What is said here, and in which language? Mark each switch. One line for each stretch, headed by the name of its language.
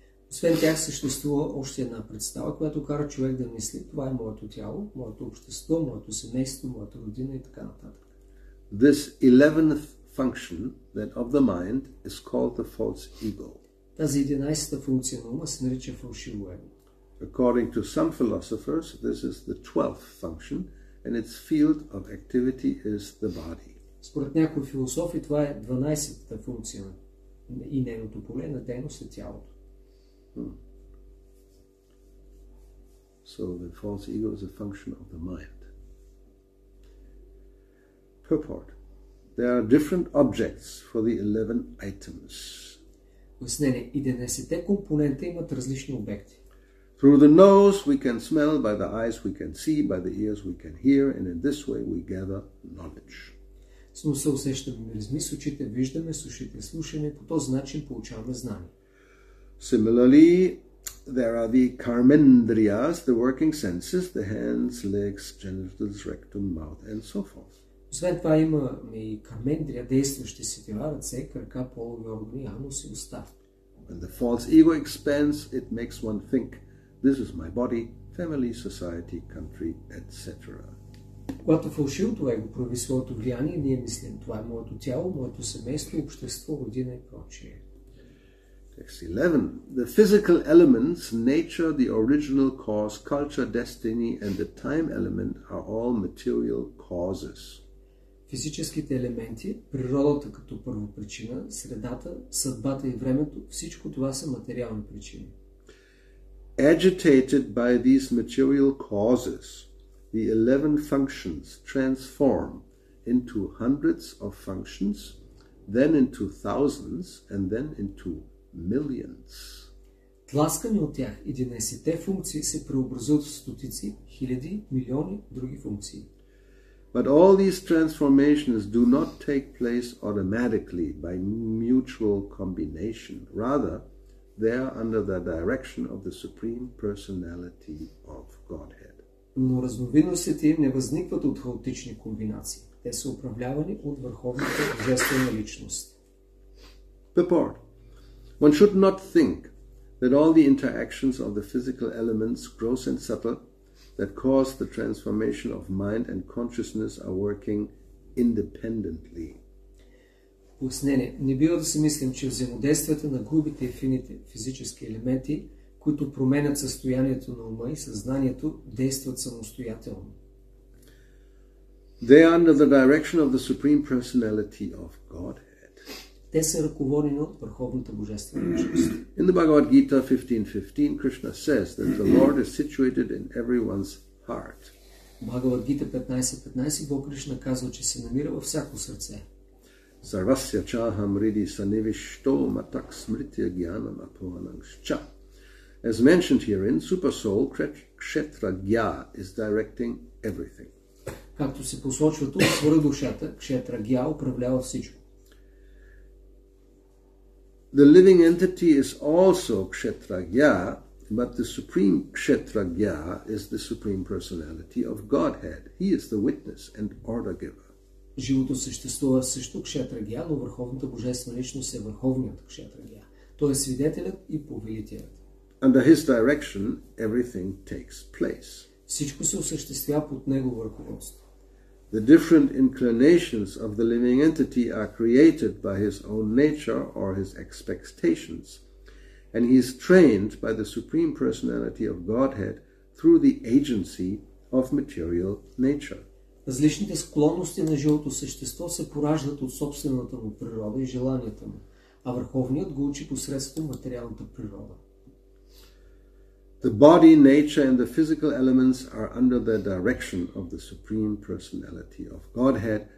Bulgarian: Освен тях съществува още една представа, която кара човек да мисли, това е моето тяло, моето общество, моето семейство, моята родина и така нататък.
English: This 11th function that of the mind is called the false ego.
Bulgarian: Тази 11-та функция на ума се нарича фалшиво его.
English: According to some philosophers, this is the 12th function and its field of activity is the body.
Bulgarian: Според някои философи това е 12-та функция и нейното поле на дейност е тялото.
English: So the false ego is a function of the mind. Purport. There are different objects for the 11 items.
Bulgarian: Пояснение. И 11-те компонента имат различни обекти.
English: Through the nose we can smell, by the eyes we can see, by the ears we can hear, and in this way we gather knowledge.
Bulgarian: С носа усещаме миризми, с очите виждаме, с ушите слушаме, по този начин получаваме знания.
English: Similarly, there are the karmendriyas, the working senses, the hands, legs, genitals, rectum, mouth, and so forth.
Bulgarian: Освен това има и кармендрия, действащи сетива, ръце, крака, полови органи, анус и уста.
English: When the false ego expands, it makes one think, this is my body, family, society, country, etc.
Bulgarian: Когато фалшивото его прояви своето влияние, ние мислим, това е моето тяло, моето семейство, общество, родина и прочие.
English: Text 11. The physical elements, nature, the original cause, culture, destiny, and the time element are all material causes.
Bulgarian: Физическите елементи, природата като първопричина, средата, съдбата и времето, всичко това са материални причини.
English: Agitated by these material causes, the 11 functions transform into hundreds of functions, then into thousands, and then into millions.
Bulgarian: Тласкани от тях, 11-те функции се преобразуват в стотици, хиляди, милиони други функции.
English: But all these transformations do not take place automatically by mutual combination. Rather, they are under the direction of the Supreme Personality of Godhead.
Bulgarian: Но разновидностите им не възникват от хаотични комбинации. Те са управлявани от върховната божествена личност.
English: Purport. One should not think that all the interactions of the physical elements, gross and subtle, that cause the transformation of mind and consciousness are working independently.
Bulgarian: Пояснение. Не бива да си мислим, че взаимодействията на грубите и фините физически елементи, които променят състоянието на ума и съзнанието, действат самостоятелно.
English: They are under the direction of the Supreme Personality of Godhead.
Bulgarian: Те са ръководени от Върховната Божествена Личност.
English: In the Bhagavad Gita 15:15, Krishna says that the Lord is situated in everyone's heart.
Bulgarian: Bhagavad Gita 15:15, Бог Кришна казва, че се намира във всяко сърце.
Sanskrit: Sarvasya chaham ridi sanivishto matak smritya gyanam apohanangscha.
English: As mentioned herein, Supersoul Kshetra Gya is directing everything.
Bulgarian: Както се посочва тук, свърх душата, Кшетра Гя, управлява всичко.
English: The living entity is also Кшетра Гя, but the supreme Кшетра Гя is the supreme personality of Godhead. He is the witness and order giver.
Bulgarian: Живото съществува също Кшетра Гя, но върховната божествена личност е върховният Кшетра Гя. Той е свидетелят и повелителят.
English: Under his direction everything takes place.
Bulgarian: Всичко се осъществява под негово ръководство.
English: The different inclinations of the living entity are created by his own nature or his expectations, and he is trained by the Supreme Personality of Godhead through the agency of material nature.
Bulgarian: Различните склонности на живото същество се пораждат от собствената му природа и желанията му, а върховният го учи посредством материалната природа.
English: The body, nature and the physical elements are under the direction of the Supreme Personality of Godhead.